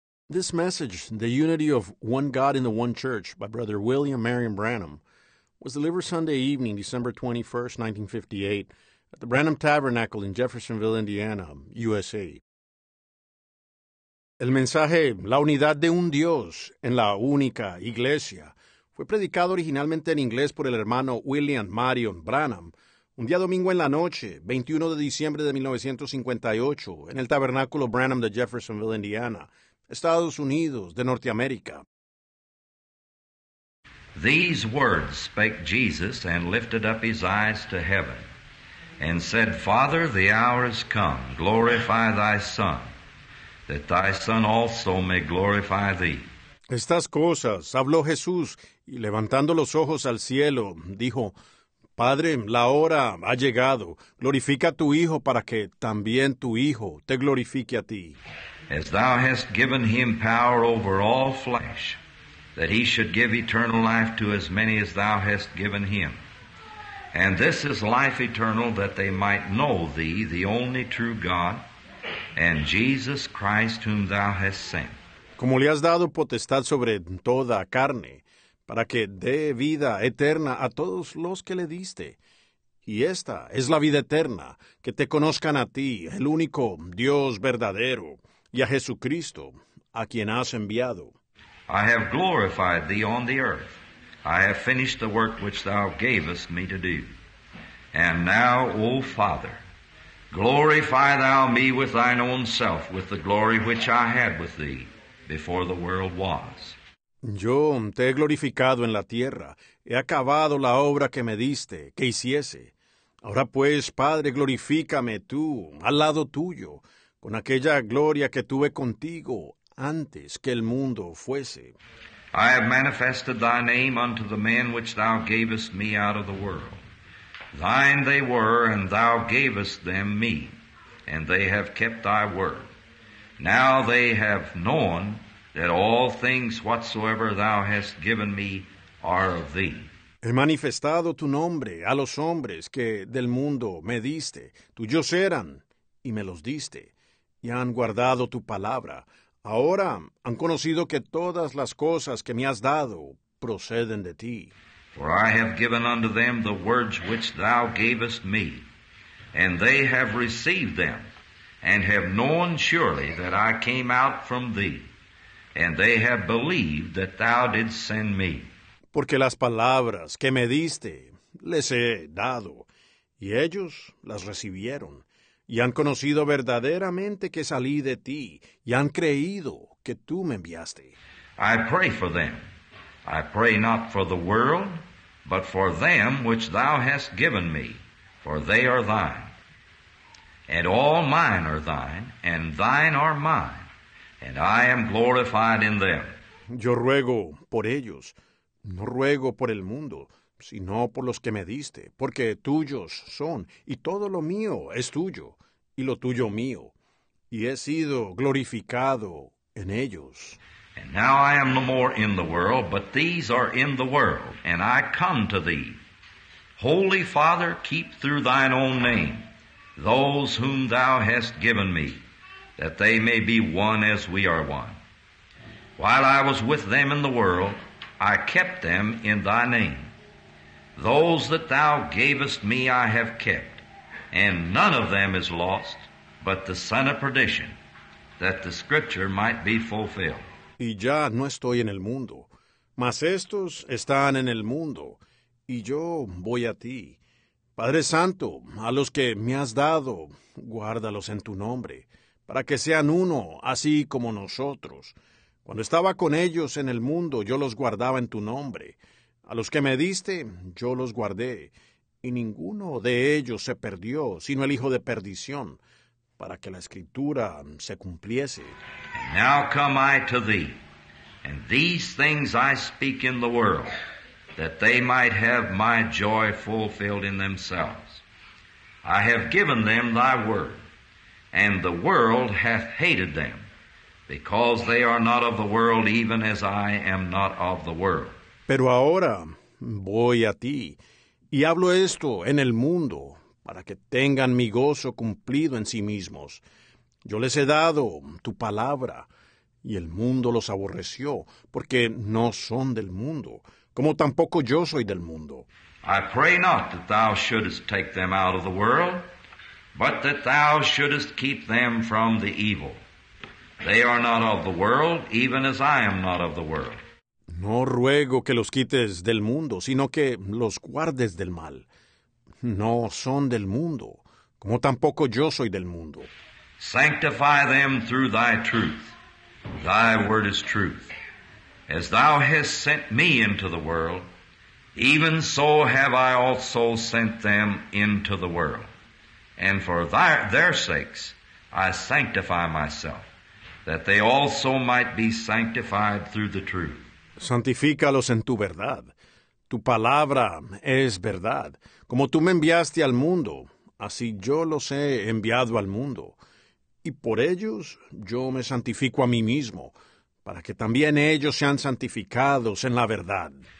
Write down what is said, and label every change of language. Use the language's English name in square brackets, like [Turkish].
[English] This message, "The Unity of One God in the One Church" by Brother William Marion Branham, was delivered Sunday evening, December 21, 1958, at the Branham Tabernacle in Jeffersonville, Indiana, USA. [Spanish] El mensaje, "La unidad de un Dios en la única iglesia", fue predicado originalmente en inglés por el hermano William Marion Branham, un día domingo en la noche, 21 de diciembre de 1958, en el Tabernáculo Branham de Jeffersonville, Indiana, Estados Unidos de Norteamérica. [English] These words spake Jesus and lifted up his eyes to heaven and said, Father, the hour is come, glorify thy Son, that thy Son also may glorify thee. [Spanish] Estas cosas habló Jesús y levantando los ojos al cielo, dijo, Padre, la hora ha llegado, glorifica a tu Hijo para que también tu Hijo te glorifique a ti. [English] As thou hast given him power over all flesh, that he should give eternal life to as many as thou hast given him. And this is life eternal, that they might know thee, the only true God, and Jesus Christ whom thou hast sent. [Spanish] Como le has dado potestad sobre toda carne, para que dé vida eterna a todos los que le diste. Y esta es la vida eterna, que te conozcan a ti, el único Dios verdadero, y a Jesucristo, a quien has enviado. [English] I have glorified thee on the earth. I have finished the work which thou gavest me to do. And now, O Father, glorify thou me with thine own self, with the glory which I had with thee before the world was. [Spanish] Yo te he glorificado en la tierra. He acabado la obra que me diste, que hiciese. Ahora pues, Padre, glorifícame tú, al lado tuyo, con aquella gloria que tuve contigo antes que el mundo fuese. [English] I have manifested thy name unto the men which thou gavest me out of the world. Thine they were, and thou gavest them me, and they have kept thy word. Now they have known that all things whatsoever thou hast given me are of thee. [Spanish] He manifestado tu nombre a los hombres que del mundo me diste. Tuyos eran, y me los diste. Y han guardado tu palabra. Ahora han conocido que todas las cosas que me has dado proceden de ti. [English] For I have given unto them the words which thou gavest me, and they have received them, and have known surely that I came out from thee, and they have believed that thou didst send me. [Spanish] Porque las palabras que me diste les he dado, y ellos las recibieron. Y han conocido verdaderamente que salí de ti, y han creído que tú me enviaste. [English] I pray for them. I pray not for the world, but for them which thou hast given me, for they are thine. And all mine are thine, and thine are mine, and I am glorified in them. [Spanish] Yo ruego por ellos, no ruego por el mundo, sino por los que me diste, porque tuyos son, y todo lo mío es tuyo, y lo tuyo mío, y he sido glorificado en ellos. [English] And now I am no more in the world, but these are in the world, and I come to thee. Holy Father, keep through thine own name those whom thou hast given me, that they may be one as we are one. While I was with them in the world, I kept them in thy name. Those that thou gavest me I have kept, and none of them is lost, but the son of perdition, that the scripture might be fulfilled. [Spanish] Y ya no estoy en el mundo, mas estos están en el mundo, y yo voy a ti. Padre Santo, a los que me has dado, guárdalos en tu nombre, para que sean uno, así como nosotros. Cuando estaba con ellos en el mundo, yo los guardaba en tu nombre. A los que me diste, yo los guardé, y ninguno de ellos se perdió, sino el hijo de perdición, para que la Escritura se cumpliese. [English] And now come I to thee, and these things I speak in the world, that they might have my joy fulfilled in themselves. I have given them thy word, and the world hath hated them, because they are not of the world, even as I am not of the world. [Spanish] Pero ahora voy a ti, y hablo esto en el mundo, para que tengan mi gozo cumplido en sí mismos. Yo les he dado tu palabra, y el mundo los aborreció, porque no son del mundo, como tampoco yo soy del mundo. [English] I pray not that thou shouldest take them out of the world, but that thou shouldest keep them from the evil. They are not of the world, even as I am not of the world. [Spanish] No ruego que los quites del mundo, sino que los guardes del mal. No son del mundo, como tampoco yo soy del mundo. [English] Sanctify them through thy truth. Thy word is truth. As thou hast sent me into the world, even so have I also sent them into the world. And for their sakes I sanctify myself, that they also might be sanctified through the truth. [Spanish] Santifícalos en tu verdad. Tu palabra es verdad. Como tú me enviaste al mundo, así yo los he enviado al mundo. Y por ellos yo me santifico a mí mismo, para que también ellos sean santificados en la verdad.